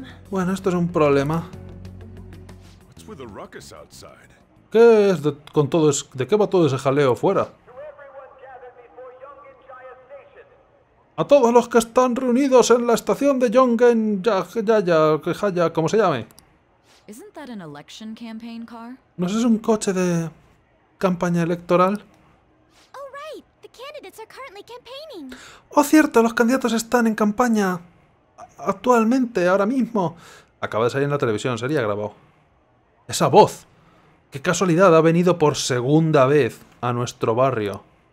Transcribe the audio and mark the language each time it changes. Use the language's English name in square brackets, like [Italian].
[Spanish] Bueno, esto es un problema. ¿De qué va todo ese jaleo fuera? A todos los que están reunidos en la estación de Yongen Jaya, como se llame. [English] Isn't that an election campaign car? [Spanish] ¿No es un coche de campaña electoral? [English] Oh, right. The candidates are currently campaigning. [Spanish] Oh, cierto, los candidatos están en campaña actualmente, ahora mismo. Acaba de salir en la televisión, sería grabado. Esa voz. Qué casualidad, ha venido por segunda vez a nuestro barrio.